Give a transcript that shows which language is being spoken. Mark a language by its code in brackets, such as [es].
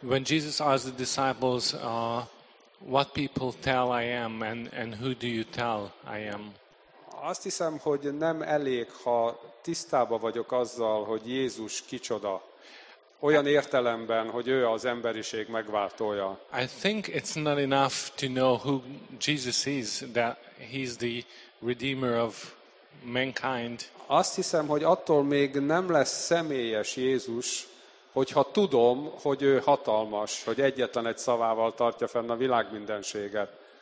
[en] When Jesus asked the disciples what people tell I am and who do you tell I am? [hu] Azt hiszem, hogy nem elég, ha tisztában vagyok azzal, hogy Jézus kicsoda. Olyan értelemben, hogy ő az emberiség megváltója. [en] I think it's not enough to know who Jesus is, that he's the redeemer of mankind. [hu] Azt hiszem, hogy attól még nem lesz személyes Jézus, hogyha tudom, hogy ő hatalmas, hogy egyetlen egy szavával tartja fenn a világmindenséget.